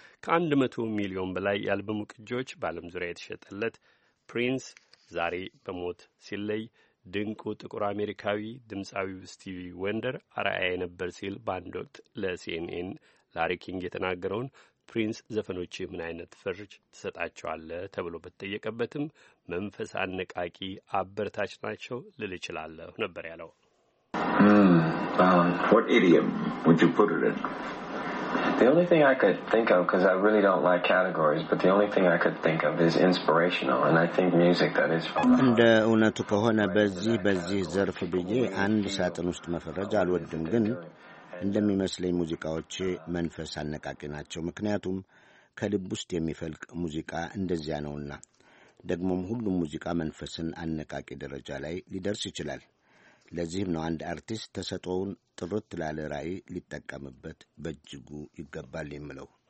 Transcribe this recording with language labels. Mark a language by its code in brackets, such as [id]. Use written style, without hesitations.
[am] ከ100 ሚሊዮን በላይ የአልበሙ ቅጂዎች በዓለም ዙሪያ የተሸጠለት ፕሪንስ ዛሬ በሞት ሲለይ ድንቁ ጥቁር አሜሪካዊ ድምፃዊ ስቲቪ ወንደር አርአያ ነበር ሲል በአንድ ወቅት ለሲኤንኤን ላሪ ኪንግ የተናገረውን ፕሪንስ ዘፈኖች ምን አይነት ፍርድ ትሰጣቸዋለህ ተብሎ በተጠየቀበትም መንፈስ አነቃቂ አበረታች ናቸው ልል እችላለሁ ነበር ያለው። [en] What idiom would you put it in? The only thing I could think of, because I really don't like categories, but the only thing I could think of is inspirational, and I think music that is from [am] the እንደ እውነቱ ከሆነ በዚህ ዘርፍ ብዬ አንድ ሳጥን ውስጥ መፈረጅ አልወድም፣ ግን እንደሚመስለኝ ሙዚቃዎቼ መንፈስ አነቃቂ ናቸው፣ ምክንያቱም ከልብ ውስጥ የሚፈልቅ ሙዚቃ እንደዚያ ነውና። ደግሞም ሁሉም ሙዚቃ መንፈስን አነቃቂ ደረጃ ላይ ሊደርስ ይችላል። ለዚህም ነው አንድ አርቲስት ተሰጥኦውን ጥርት ላለ ራዕይ ሊጠቀምበት በእጅጉ ይገባል የምለው።